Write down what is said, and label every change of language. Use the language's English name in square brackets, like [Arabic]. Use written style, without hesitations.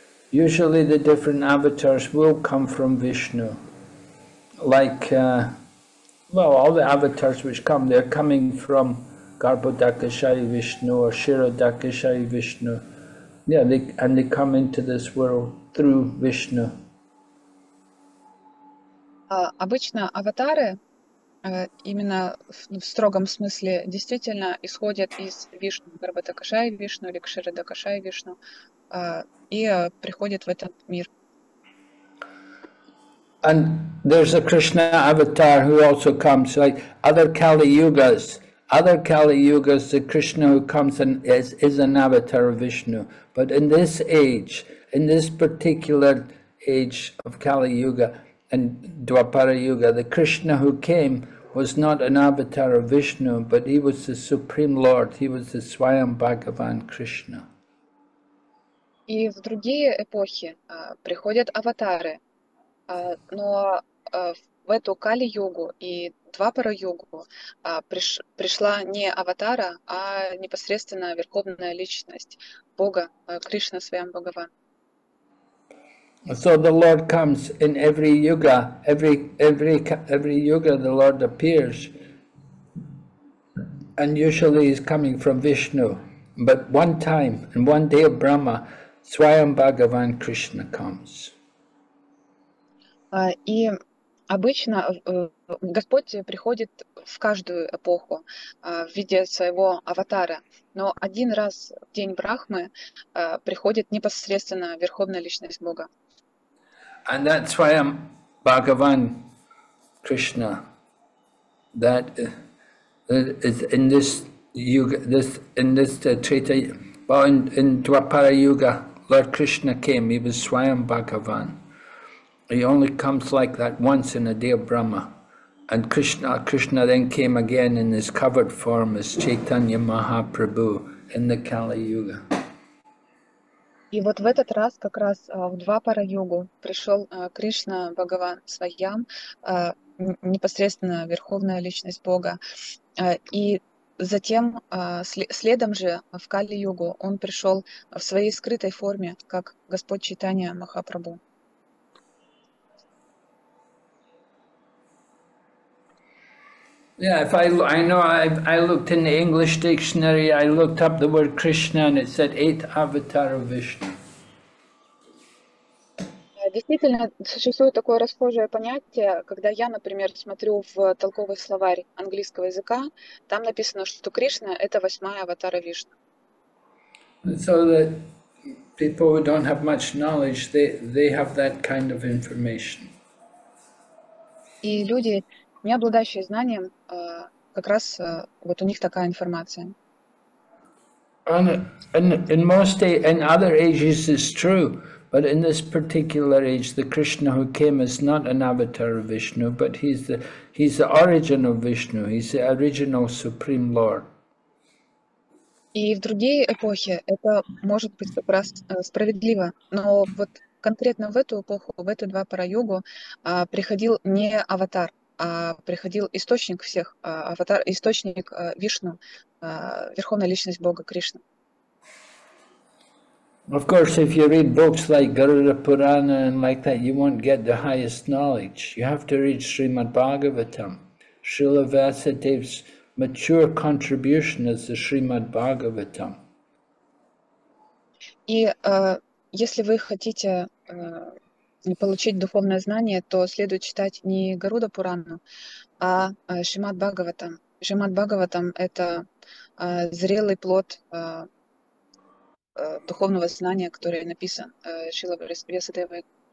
[English] Usually the different avatars will come from Vishnu. Like, well, all the avatars which come, they're coming from Garbhodakshayi Vishnu or Shirodakshayi Vishnu. Yeah, they come into this world through Vishnu. [Russian] Обычно аватары, именно в строгом смысле, действительно исходят из Вишну, Гарбхадакшаи Вишну или Кширадакшаи Вишну, и приходят в этот мир. [English] And there's a Krishna avatar who also comes, like other Kali Yugas. Other Kali Yugas, the Krishna who comes and is an avatar of Vishnu. But in this age, in this particular age of Kali Yuga, and Dwapara Yuga, the Krishna who came was not an avatar of Vishnu, but he was the Supreme Lord, he was the Swayam Bhagavan Krishna. [Russian] И в другие эпохи приходят аватары, но в эту Кали-йогу и Двапара-йогу пришла не аватара, а непосредственно Верховная Личность Бога, Кришна Свайам Бхагаван. [English] So the Lord comes in every yuga, every yuga the Lord appears, and usually he's coming from Vishnu, but one time in one day of Brahma, Swayam Bhagavan Krishna comes. [Russian] И обычно Господь приходит в каждую эпоху в виде своего аватара, но один раз в день Брахмы приходит непосредственно Верховная Личность Бога. [English] And that's why I'm Bhagavan Krishna. That is in this yuga, Treta, well, in Dwapara Yuga, Lord Krishna came. He was Swayam Bhagavan. He only comes like that once in a day of Brahma. And Krishna then came again in his covered form as Chaitanya Mahaprabhu in the Kali Yuga. [Russian] И вот в этот раз как раз в Двапара-йогу пришел Кришна Бхагаван Свайям, непосредственно Верховная Личность Бога. И затем, следом же в Кали-йогу, он пришел в своей скрытой форме, как Господь Чайтанья Махапрабху. [English] Yeah, if I know I looked in the English dictionary, I looked up the word Krishna and it said eighth avatar of Vishnu. [Russian] Действительно, существует такое расхожее понятие, когда я, например, смотрю в толковый словарь английского языка, там написано, что Кришна — это восьмая аватара Вишну. [English] So that people who don't have much knowledge, they have that kind of information. [Russian] И люди, не обладающие знанием, как раз вот у них такая информация. [English] In most in other ages it's true, but in this particular age, the Krishna who came is not an avatar of Vishnu, but he's the origin of Vishnu. He's the original Supreme Lord. [Russian] И в другие эпохи это может быть как раз справедливо, но вот конкретно в эту эпоху, в эту Двапара-йогу приходил не аватар. Приходил источник всех, аватар, источник Вишну, Верховная Личность Бога Кришна. [English] Of course, if you read books like Garuda Purana and like that, you won't get the highest knowledge. You have to read Srimad Bhagavatam. Srila Vasudeva's mature contribution is the Srimad Bhagavatam. [Russian] И если вы хотите получить духовное знание, то следует читать не Гаруда Пурану, а Шримад Бхагаватам. Шримад Бхагаватам — это зрелый плод духовного знания, который написан Шрила Врисадевой.